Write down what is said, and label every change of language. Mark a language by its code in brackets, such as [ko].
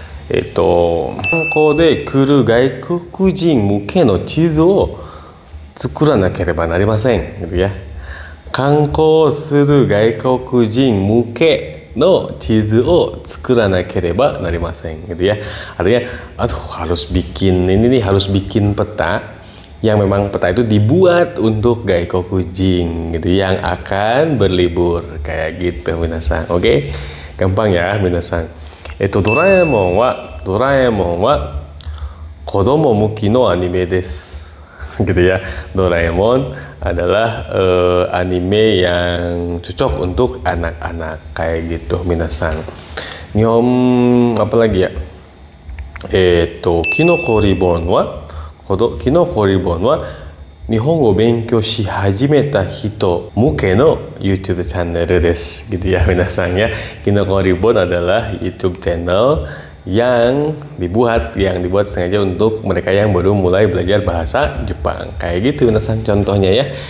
[ja] ここで来る外国人向けの地図を作らなければなりません。観光する外国人向けの地図を作らなければなりません。 [id] Artinya, aduh harus bikin ini nih, harus bikin peta yang memang peta itu dibuat untuk gaikokujin gitu yang akan berlibur kayak gitu minasan. Oke. Gampang ya minasan. [ja] ドラえもんは子供向きのアニメです。 [id] gitu ya. Doraemon adalah anime yang cocok untuk anak-anak kayak gitu minasan. Nihon apa lagi ya? [ja] Kinoko Ribbon は日本語を勉強し始めた人向けの YouTube チャンネルです。 [id] gitu ya, 皆さんや。 Kinoko Ribbon adalah YouTube channel yang dibuat sengaja untuk mereka yang baru mulai belajar bahasa Jepang. Kayak gitu, 皆さん contohnya ya.